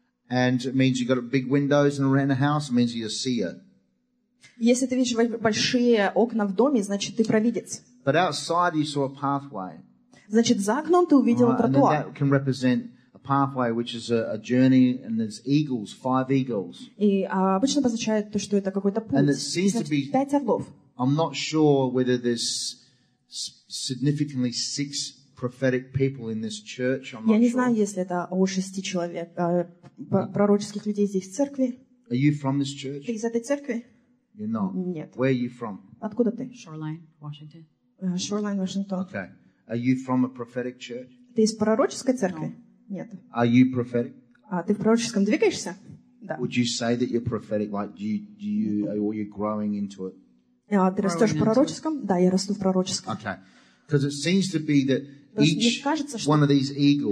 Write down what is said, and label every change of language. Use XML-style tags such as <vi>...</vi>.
<en>And it means you've got big windows and around the house, it means you see it.</en> <ru>Если ты видишь большие окна в доме, значит ты провидец.</ru> <en>But outside you saw a pathway.</en> <ru>Значит, за окном ты увидел тротуар.</ru> <en>And that can represent a pathway, which is a journey, and there's eagles, five eagles.</en> <ru>И обычно обозначает то, что это какой-то путь.</ru> <en>And it seems</en> <ru>значит,</ru> <en>to be.</en> <ru>Пять орлов.</ru> <en>I'm not sure whether there's significantly six prophetic people in this church. I'm not</en> <ru>Я не sure. знаю, если это о шести человек пророческих людей здесь в церкви.</ru> <en>Are you from this church?</en> <ru>Ты из этой церкви?</ru> <en>You're not.</en> <ru>Нет.</ru> <en>Where are you from?</en> <ru>Откуда ты?</ru> <en>Shoreline, Washington. Shoreline, Washington. Okay. Are you from a prophetic church?</en> <ru>Ты из пророческой церкви?</ru> <en>No.</en> <ru>Нет.</ru> <en>Are you prophetic?</en> <ru>А ты в пророческом двигаешься? Да.</ru> <en>Would you say that you're prophetic? Like, do you or you're growing into it?</en> <ru>Ты растешь в пророческом? Да, я расту в пророческом.</ru> <en>Okay. Because it seems to be that each one of these eagles,</en>